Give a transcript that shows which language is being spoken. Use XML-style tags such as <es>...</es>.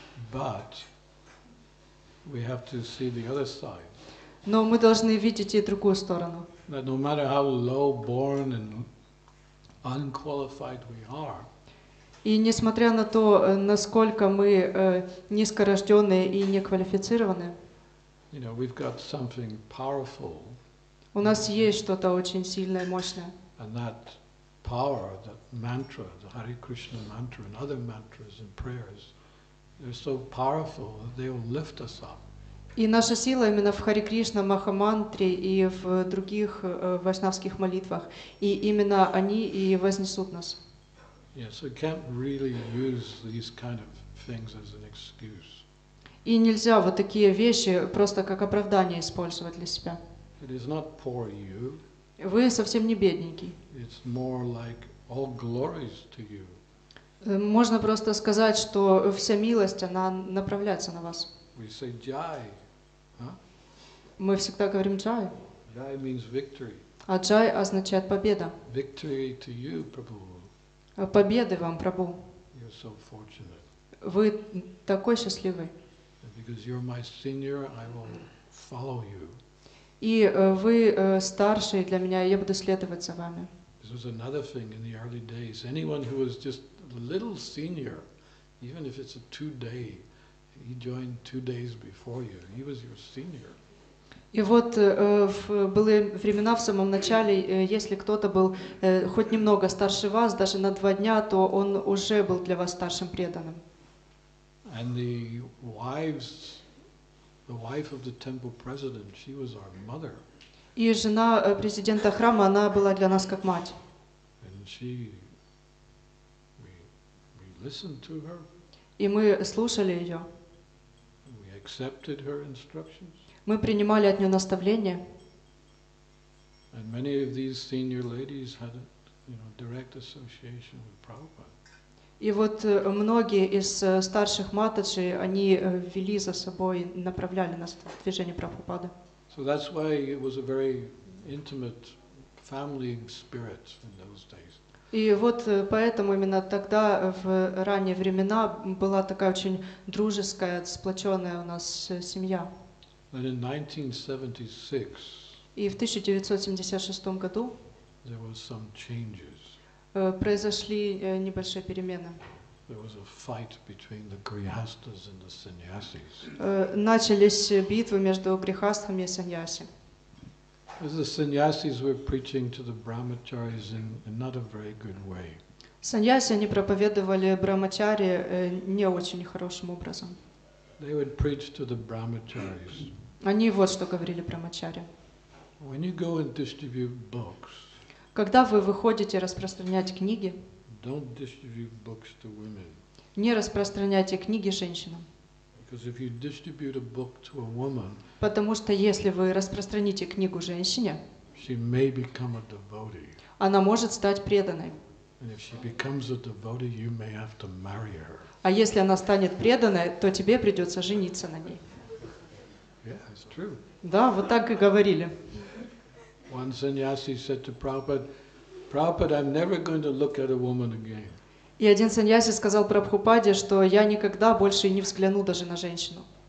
<en>But we have to see the other side.</en> <ru>Но мы должны видеть и другую сторону.</ru> <en>That no matter how low born and unqualified we are.</en> <ru>И несмотря на то, насколько мы низкорожденные и неквалифицированные.</ru> <en>You know, we've got something powerful.</en> <ru>У нас есть что-то очень сильное и мощное.</ru> <en>And that power, that mantra, the Hare Krishna mantra and other mantras and prayers, they're so powerful that they will lift us up.</en> <ru>И наша сила именно в Харе Кришна Махамантре и в других вайшнавских молитвах, и именно они и вознесут нас.</ru> <en>Yes, we can't really use these kind of things as an excuse.</en> <ru>И нельзя вот такие вещи просто как оправдание использовать для себя.</ru> <en>It is not poor you.</en> <ru>Вы совсем не бедненький.</ru> <en>It's more like all glories to you.</en> <ru>Можно просто сказать, что вся милость, она направляется на вас.</ru> <en>We say jai.</en> <ru>Мы всегда говорим джай.</ru> <en>Jai means victory.</en> <ru>А джай означает победа.</ru> <en>Victory to you, Prabhu.</en> <ru>Победы вам, Прабху.</ru> <en>You're so fortunate.</en> <ru>Вы такой счастливый.</ru> <en>Because you're my senior, I will follow you.</en> <ru>И вы старший для меня, я буду следовать за вами.</ru> <en>This was another thing in the early days. Anyone who was just a little senior, even if it's a 2-day, he joined 2 days before you. He was your senior.</en> <ru>И вот в были времена в самом начале, если кто-то был хоть немного старше вас, даже на 2 дня, то он уже был для вас старшим преданным.</ru> <en>And the wives. The wife of the temple president, she was our mother.</en> <ru>И жена президента храма, она была для нас как мать.</ru> <en>And she, we listened to her.</en> <ru>И мы слушали ее.</ru> <en>We accepted her instructions.</en> <ru>Мы принимали от нее наставления.</ru> <en>And many of these senior ladies had, you know, direct association with Prabhupada.</en> <ru>И вот многие из старших матаджи, они вели за собой, направляли нас в движение Прабхупады.</ru> <en>So that's why it was a very intimate family spirit in those days.</en> <ru>И вот поэтому именно тогда, в ранние времена, была такая очень дружеская, сплоченная у нас семья.</ru> <en>And in 1976,</en> <ru>и в 1976 году</ru> <en>there was some changes.</en> <ru>Произошли небольшие перемены.</ru> <en>There was a fight between the grihasthas and the sannyasis.</en> <ru>Начались битвы между грихастхами и саньяси.</ru> <en>As the sannyasis were preaching to the brahmacharis in not a very good way.</en> <ru>Саньяси, они проповедовали брахмачари не очень хорошим образом.</ru> <en>They would preach to the brahmacharis.</en> <ru>Они вот что говорили брахмачари.</ru> <en>When you go and distribute books,</en> <ru>когда вы выходите распространять книги,</ru> <en>don't distribute books to women.</en> <ru>Не распространяйте книги женщинам.</ru> <en>Because if you distribute a book to a woman,</en> <ru>потому что если вы распространите книгу женщине,</ru> <en>she may become a devotee.</en> <ru>Она может стать преданной.</ru> <en>And if she becomes a devotee, you may have to marry her.</en> <ru>А если она станет преданной, то тебе придется жениться на ней.</ru> <en>Yeah, it's true.</en> <ru>Да, вот так и говорили.</ru> <en>One sannyasi said to Prabhupada, Prabhupada, I'm never going to look at a woman again.</en> <ru>И один саньяси сказал Прабхупаде, что я никогда больше и не взгляну даже на женщину.</ru>